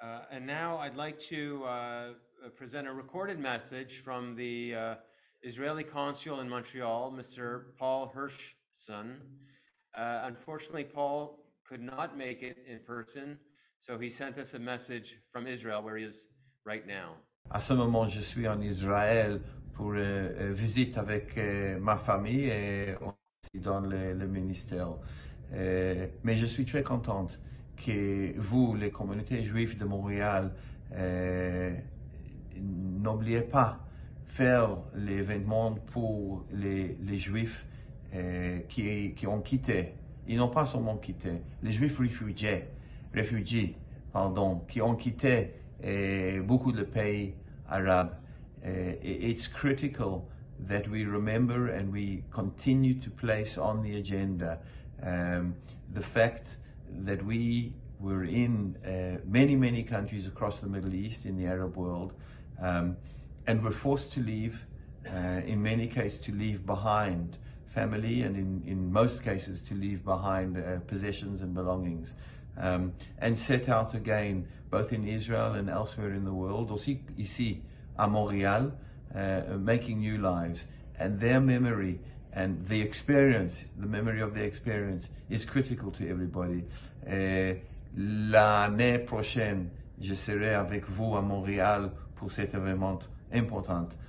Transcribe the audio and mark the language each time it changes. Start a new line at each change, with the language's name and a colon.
English: And now I'd like to present a recorded message from the Israeli consul in Montreal, Mr. Paul Hirschson. Unfortunately, Paul could not make it in person, so he sent us a message from Israel, where he is right now.
French: À ce moment, je suis en Israël pour visite avec ma famille et aussi dans le ministère. Mais je suis très contente que vous, les communautés juives de Montréal, n'oubliez pas faire l'événement pour les Juifs qui ont quitté. Ils n'ont pas seulement quitté, les Juifs réfugiés, qui ont quitté beaucoup de pays arabes.
English: It's critical that we remember and we continue to place on the agenda the fact that we were in many, many countries across the Middle East in the Arab world and were forced to leave, in many cases to leave behind family and in most cases to leave behind possessions and belongings and set out again both in Israel and elsewhere in the world,
French: aussi ici à Montréal,
English: making new lives. And their memory and the experience, the memory of the experience is critical to everybody.
French: L'année prochaine, je serai avec vous à Montréal pour cet événement important.